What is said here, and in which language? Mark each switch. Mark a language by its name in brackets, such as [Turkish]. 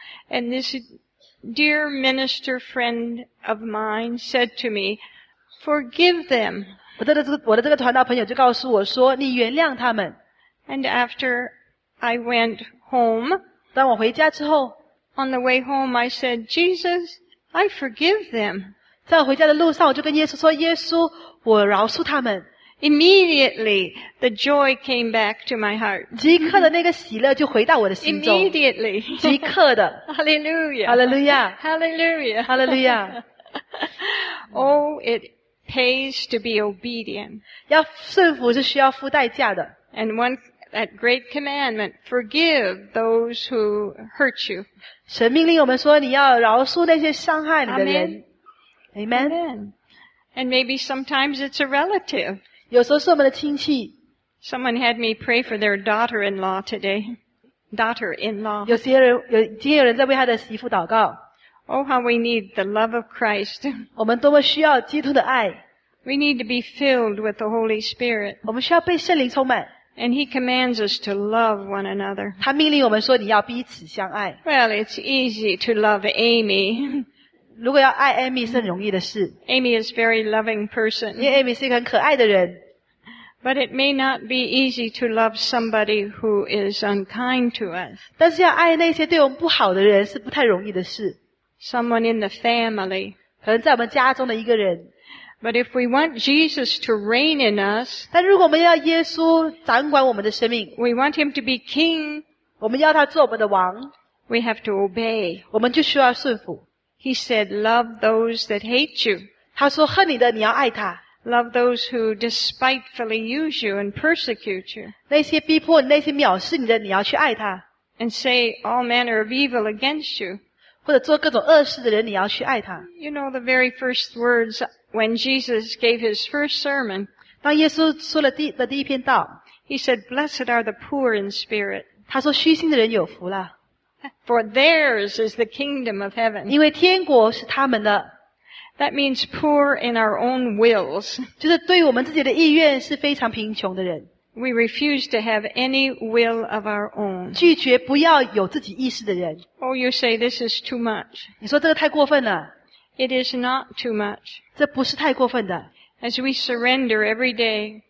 [English] And this dear minister friend of mine said to me, forgive them. [Chinese] 我的这个团道朋友就告诉我说, [English] and after I went home, [Chinese] 当我回家之后, [English] on the way home, I said, Jesus, I forgive them. [Chinese] 在我回家的路上,我就跟耶稣说,耶稣,我饶恕他们。 [English] Immediately, the joy came back to my heart. [Chinese] 即刻的那个喜乐就回到我的心中。 [English] Immediately. [Chinese] 即刻的。 [English] Hallelujah. Hallelujah. Hallelujah. Hallelujah. Oh, it pays to be obedient. [Chinese] 要顺服是需要付代价的。 [English] And one, that great commandment, forgive those who hurt you. [Chinese] 神命令我们说你要饶恕那些伤害你的人。 [English] Amen. Amen. And maybe sometimes it's a relative. [Chinese] 有时候是我们的亲戚。 [English] Someone had me pray for their daughter-in-law today. Daughter-in-law. [Chinese] 今天有人在为他的媳妇祷告。 [English] Oh, how we need the love of Christ. [Chinese] 我们多么需要基督的爱。 [English] We need to be filled with the Holy Spirit. [Chinese] 我们需要被圣灵充满。 [English] And he commands us to love one another. [Chinese] 他命令我们说你要彼此相爱。 [English] Well, it's easy to love Amy. [Chinese] 如果要爱Amy是很容易的事。 [English] Amy is a very loving person. [Chinese] 因为Amy是一个很可爱的人。 [English] But it may not be easy to love somebody who is unkind to us. [Chinese] 但是要爱那些对我们不好的人是不太容易的事。 [English] Someone in the family. [Chinese] 可能在我们家中的一个人。 [English] But if we want Jesus to reign in us, [Chinese] 但如果我们要耶稣掌管我们的生命, [English] we want him to be king, [Chinese] 我们要他做我们的王, [English] we have to obey. [Chinese] 我们就需要顺服。 [English] He said, love those that hate you. [Chinese] 他说恨你的, [English] love those who despitefully use you and persecute you. [Chinese] 那些逼迫你,那些藐视你的, [English] and say all manner of evil against you. [Chinese] 或者做各种恶事的人, [English] you know the very first words, when Jesus gave his first sermon, [Chinese] 当耶稣说了第一篇道, [English] he said, blessed are the poor in spirit. [Chinese] 他说虚心的人有福了, [English] for theirs is the kingdom of heaven. [Chinese] 因为天国是他们的, [English] that means poor in our own wills. [Chinese] 就是对我们自己的意愿是非常贫穷的人。 [English] We refuse to have any will of our own. [Chinese] 拒绝不要有自己意识的人。 [English] Oh, you say this is too much. [Chinese] 你说这个太过分了。 [English] It is not too much. [Chinese] 这不是太过分的。 [English] As we surrender every day,